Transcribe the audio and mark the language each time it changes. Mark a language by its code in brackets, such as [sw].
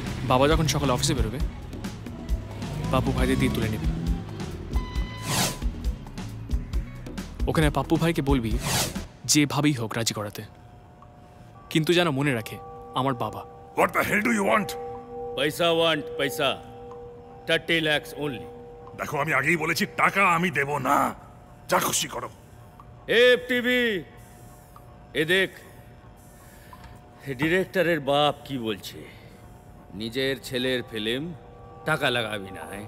[bn] বাবা যখন সকালে অফিসে বেরোবে পাপু ভাইদের দিয়ে তুলে নেবে। ওখানে পাপু ভাইকে বলবি যেভাবেই হোক রাজি করাতে, কিন্তু যেন মনে রাখে আমার বাবা। [en] What the hell do you want? পয়সা want, পয়সা 30 lakhs only. [bn] দেখো আমি আগেই বলেছি টাকা আমি দেব না, যা খুশি করো। টিভি এ দেখ ডিরেক্টরের বাপ কি বলছে, নিজের ছেলের ফিল্ম টাকা লাগাবি না।